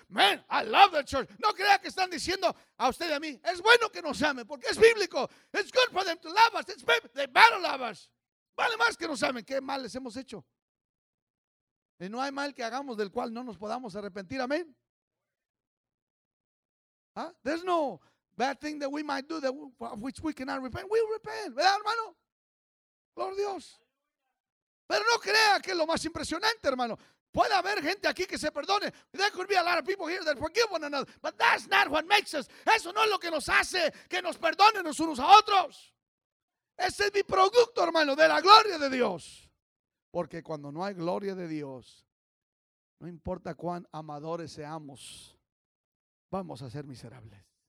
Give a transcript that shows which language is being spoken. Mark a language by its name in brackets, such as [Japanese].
[English] Man, I love the church. [Spanish] No crea que están diciendo a usted y a mí, es bueno que nos amen, porque es bíblico. [English] It's good for them to love us. It's baby. They better love us. [Spanish] Vale más que nos amen. Qué mal les hemos hecho. Y no hay mal que hagamos del cual no nos podamos arrepentir. Amén. [English] ¿Ah? There's no... bad thing that we might do that which we cannot repent. We repent, [Spanish] ¿verdad, hermano? Gloria a Dios. Pero no crea que es lo más impresionante, hermano. Puede haber gente aquí que se perdone. [English] There could be a lot of people here that forgive one another. But that's not what makes us. [Spanish] Eso no es lo que nos hace que nos perdonen los unos a otros. Ese es mi producto, hermano, de la gloria de Dios. Porque cuando no hay gloria de Dios, no importa cuán amadores seamos, vamos a ser miserables.